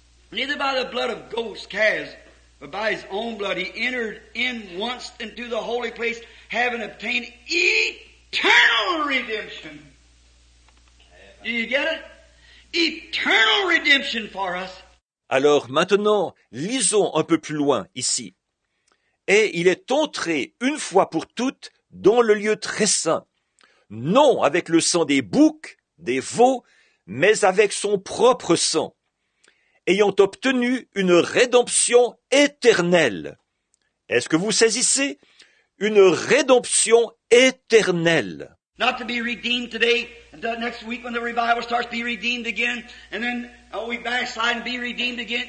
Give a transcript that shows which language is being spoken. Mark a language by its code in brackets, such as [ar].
[en] Neither by the blood of goats, calves, but by his own blood, he entered in once into the holy place, having obtained eternal redemption. Do you get it? Eternal redemption for us. [fr] Alors maintenant, lisons un peu plus loin ici. Et il est entré une fois pour toutes dans le lieu très saint, non avec le sang des boucs, des veaux, mais avec son propre sang, ayant obtenu une rédemption éternelle. Est-ce que vous saisissez? Une rédemption éternelle. [en] Not to be redeemed today, the next week when the revival starts, be redeemed again, and then we backslide and be redeemed again.